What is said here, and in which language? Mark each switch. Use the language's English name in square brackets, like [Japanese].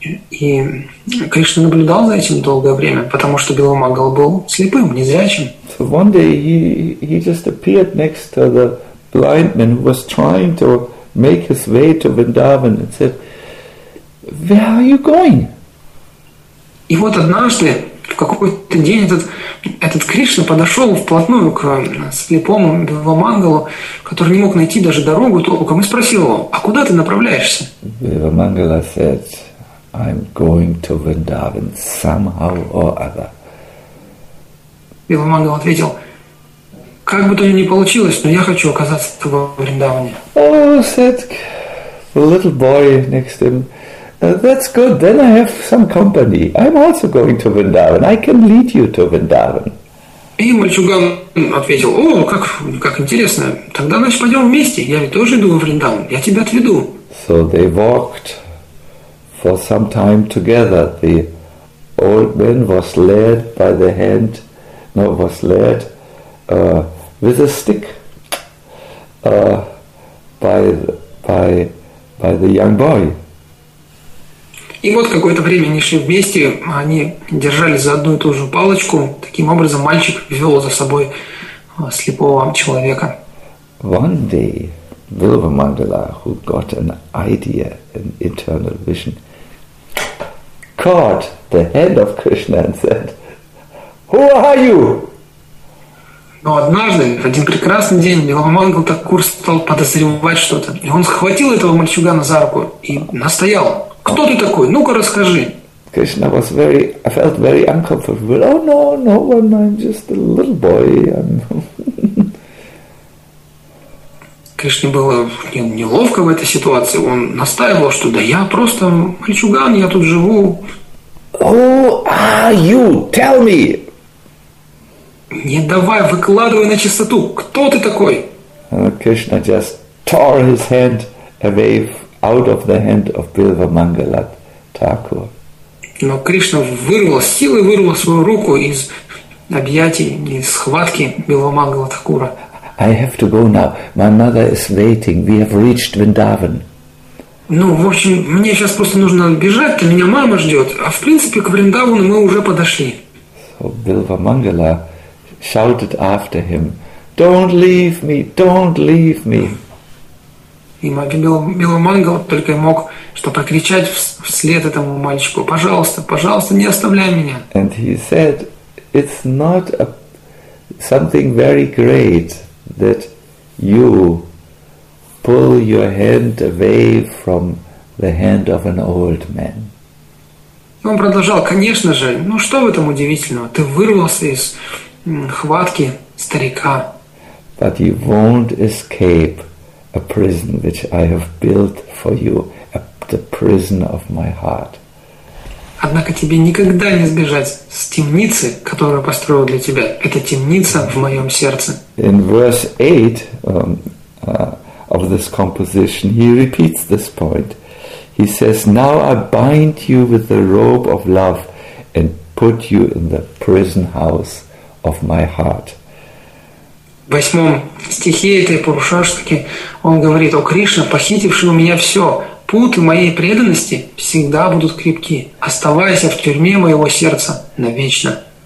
[Russian] И Кришна наблюдал за этим долгое время, потому что Беломангала был слепым, незрячим. [English] So one day he just appeared next to the blind man who was trying to make his way to Vrindavan and said, "Where are you going?" [Russian] И вот однажды, в какой-то день, этот Кришна подошел вплотную к слепому Беломангалу, который не мог найти даже дорогу толком, и спросил его, «А куда ты направляешься?» [English] Беломангала said, "I'm going to Vrindavan somehow or other." [Russian] Беломангал ответил, «Как бы то ни получилось, но я хочу оказаться в Вриндаване». [English] Oh, said the little boy next to him, "That's good, then I have some company. I'm also going to Vrindavan. I can lead you to Vrindavan." [Russian] И мальчуган ответил, «О, как интересно, тогда, значит, пойдем вместе. Я ведь тоже иду во Вриндаван, я тебя отведу». [English] So they walked for some time together. The old man was led by the hand, no, was led with a stick by the young boy. [Russian] И вот какое-то время они шли вместе, они держались за одну и ту же палочку. Таким образом, мальчик вел за собой слепого человека. [English] One day, Vilva Mangala, who got an idea, an internal vision, caught the hand of Krishna and said, "Who are you?" [Russian] Но однажды, в один прекрасный день, Беломангал Такур стал подозревать что-то. И он схватил этого мальчугана за руку и настоял. Кто ты такой? Ну-ка расскажи. [English] Krishna was very, I felt very uncomfortable. "Oh, no, no one, I'm just a little boy." [Russian] Кришне было неловко в этой ситуации. Он настаивал, что да я просто мальчуган, я тут живу. [English] "Who are you? Tell me." [Russian] Не давай, выкладывай на чистоту. Кто ты такой? [English] Krishna just tore his hand away out of the hand of Vilva Mangala Thakur. [Russian] Но Кришна силой вырвал свою руку из объятий, из схватки Вилва Мангала Такура. [English] "I have to go now. My mother is waiting. We have reached Vrindavan." [Russian] Ну, в общем, мне сейчас просто нужно бежать, меня мама ждет. А в принципе, к Вриндавану мы уже подошли. [English] So Vilva Mangala shouted after him, "Don't leave me, don't leave me." [Russian] И Беломангал только мог что прокричать вслед этому мальчику, "Пожалуйста, пожалуйста, не оставляй меня." [English] And he said, "It's not something very great that you pull your hand away from the hand of an old man." [Russian] Он продолжал, "Конечно же, ну что в этом удивительного? Ты вырвался из хватки старика." [English] "But you won't escape a prison which I have built for you, the prison of my heart." [Russian] Однако тебе никогда не сбежать с темницы, которую построил для тебя. Это темница в моем сердце. [English] In verse 8 of this composition, he repeats this point. He says, "Now I bind you with the robe of love and put you in the prison house of my heart. [Russian] В 8 стихе этой Пурушаштаки он говорит: «О Кришна, похитивший у меня все, путы моей преданности всегда будут крепки. Оставайся в тюрьме моего сердца навечно».